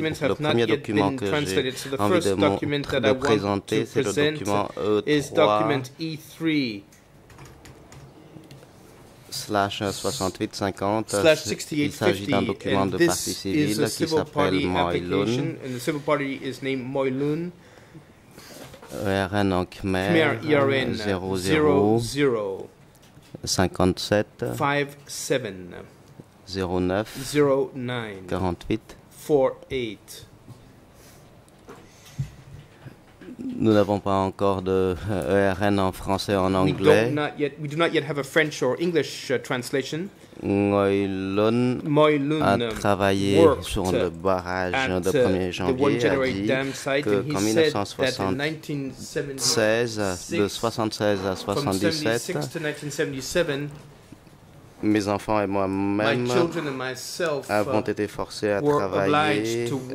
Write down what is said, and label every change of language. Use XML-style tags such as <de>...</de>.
<fr>Le premier document que j'ai envie de présenter, c'est le document E3. /6850. Il s'agit d'un document de parti civil qui s'appelle Moi Lun.</fr> <en>And the civil party is named Moi Lun.</en> <fr>ERN en Khmer 00057 57 09 48. Nous n'avons pas encore de ERN en français ou en anglais.</fr> <en>We do not yet have a French or English translation.</en> <fr>Ngoy Lun a travaillé sur le barrage de 1er janvier, a dit que qu'en 1976, de 76 à 77, mes enfants et moi-même avons été forcés à travailler</fr>